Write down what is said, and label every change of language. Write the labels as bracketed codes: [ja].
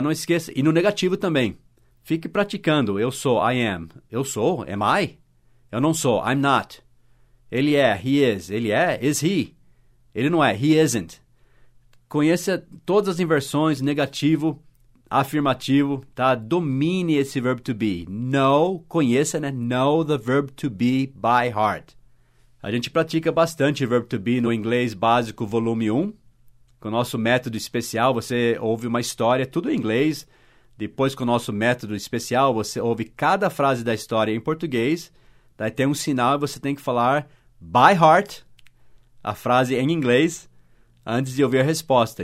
[pt] Não esqueça. E no negativo também. Fique praticando. Eu sou. [en] I am. [pt] Eu sou. [en] Am I? [pt] Eu não sou. [en] I'm not. [pt] Ele é. [en] He is. [pt] Ele é. [en] Is he? [pt] Ele não é. [en] He isn't. [pt] Conheça todas as inversões, negativo, afirmativo, tá? Domine esse verb to be. Know, conheça, né? [en] Know the verb to be by heart. [pt] A gente pratica bastante o verb to be no inglês básico volume 1. Com o nosso método especial, você ouve uma história, tudo em inglês. Depois, com o nosso método especial, você ouve cada frase da história em português. Daí tem um sinal e você tem que falar by heart, a frase em inglês, antes de ouvir a resposta.